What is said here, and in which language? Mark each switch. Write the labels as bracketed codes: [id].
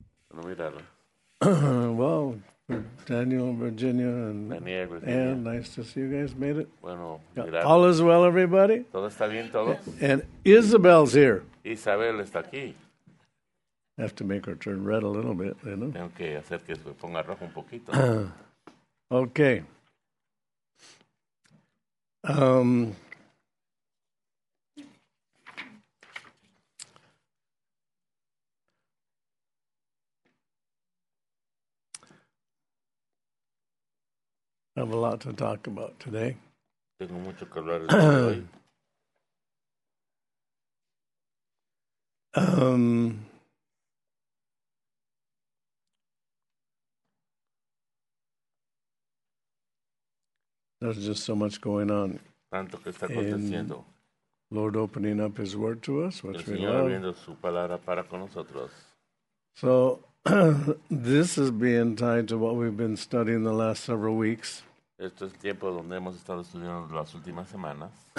[es] Bueno mirarla. [en] Well. Daniel, Virginia, and Daniel, Virginia. Ann, nice to see you guys made it. [es] Bueno, [en] all is well, everybody. [es] ¿Todo está bien, todos? [en] And Isabel's here. [es] Isabel está aquí. [en] I have to make her turn red a little bit, you know. [es] Tengo que hacer que se ponga rojo un poquito. [en] Okay. I have a lot to talk about today. [es] Tengo mucho que hablar de hoy. [en] There's just so much going on. [es] Tanto que está aconteciendo. [en] Lord opening up His Word to us, which [es] el [en] we [es] Señor [en] love. [es] Abriendo su palabra para con nosotros. [en] So, this is being tied to what we've been studying the last several weeks. [es] Esto es el tiempo donde hemos estado estudiando las últimas semanas.